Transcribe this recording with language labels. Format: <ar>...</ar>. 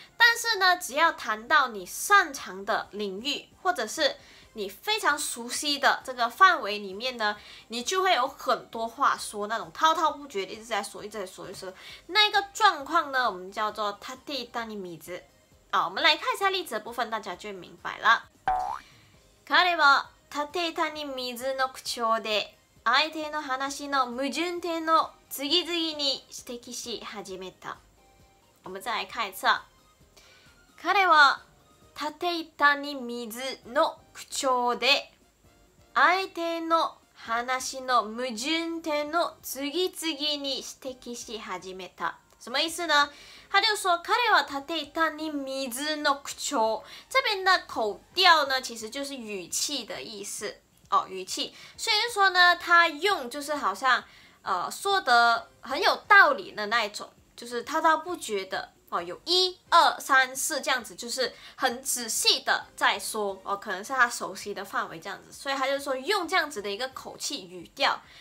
<zh>但是呢，只要谈到你擅长的领域，或者是你非常熟悉的这个范围里面呢，你就会有很多话说，那种滔滔不绝，一直在说，一直在说，一直在说。那个状况呢，我们叫做他第一当你米子。啊，我们来看一下例子的部分，大家就明白了。</zh> <ja>彼はたてたに水の口調で相手の話の矛盾点を次々に指摘し始めた。</ja> <zh>我们再来看一次。</zh> <ja>彼は立て板に水の口調で相手の話の矛盾点を次々に指摘し始めた。</ja> <zh>什么意思呢？他就说</zh> <ja>彼は立て板に水の口調。</ja> <zh>这边的口调呢，其实就是语气的意思。哦，语气，所以说呢，他用就是好像，说得很有道理的那一种，就是滔滔不绝的哦，有一二三四这样子，就是很仔细的在说哦，可能是他熟悉的范围这样子，所以他就说用这样子的一个口气语调。</zh>